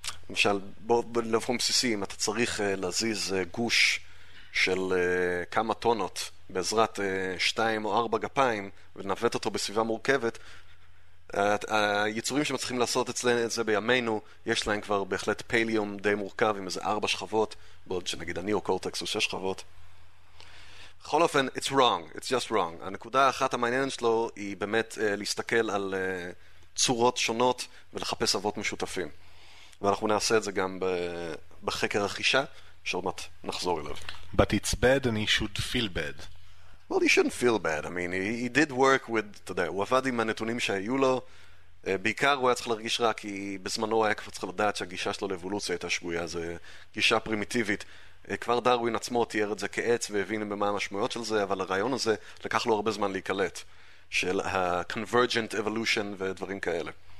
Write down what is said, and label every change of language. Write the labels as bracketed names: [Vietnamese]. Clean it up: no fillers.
[Hebrew] למשל, בלבחון בסיסיים, אתה צריך להזיז גוש של כמה טונות בעזרת שתיים או ארבע גפיים ונווט אותו בסביבה מורכבת, היצורים שמצליחים לעשות אצלנו את זה בימינו יש להם כבר בהחלט פליום די מורכב עם איזה ארבע שכבות, בעוד שנגיד הניאו-קורטקס הוא שש שכבות. בכל אופן, [English] it's wrong, it's just wrong. [Hebrew] הנקודה האחת המעניינת שלו היא באמת להסתכל על צורות שונות ולחפש אבות משותפים, ואנחנו נעשה את זה גם בחקר החישה שעומת נחזור אליו. [English] But it's bad and he should feel bad. Well, he shouldn't feel bad. I mean, he did work with, [Hebrew] אתה יודע, הוא עבד עם הנתונים שהיו לו. בעיקר הוא היה צריך להרגיש רע, כי בזמנו הוא היה כבר צריך לדעת שהגישה שלו לאבולוציה הייתה שגויה. זו גישה פרימיטיבית. כבר דרווין עצמו תיאר את זה כעץ והבין במה המשמעויות של זה, אבל הרעיון הזה לקח לו הרבה זמן להיקלט, של ה-convergent evolution ודברים כאלה.